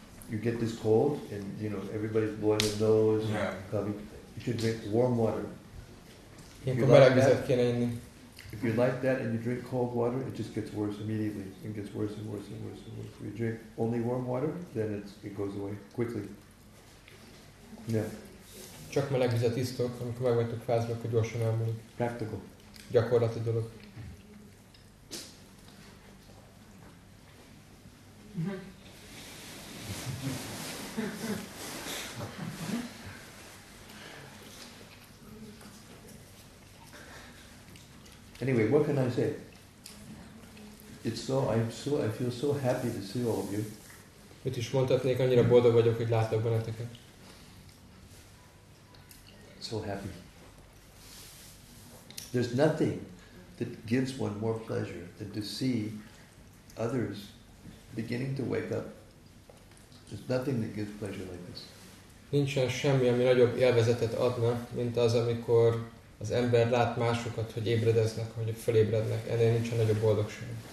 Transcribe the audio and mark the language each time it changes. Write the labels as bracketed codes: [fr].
[en] You get this cold and you know everybody's blowing their nose and coughing. You should drink warm water. If you like that and you drink cold water, it just gets worse immediately. It gets worse and worse and worse and worse. If you drink only warm water, then it goes away quickly. Yeah. [hu] Csak meleg vizet isztok, amikor megvagytok fázba, akkor gyorsan elmúlik. [en] Practical. [hu] Gyakorlati dolog. [en] Anyway, what can I say? I feel so happy to see all of you. [hu] Mit is mondhatnék, annyira boldog vagyok, hogy látok benneteket. [en] So happy. There's nothing that gives one more pleasure than to see others beginning to wake up. There's nothing that gives pleasure like this. [hu] Nincsen semmi, ami nagyobb élvezetet adna, mint az, amikor az ember lát másokat, hogy ébredeznek, hogy felébrednek. Ennél nincsen nagyobb boldogság.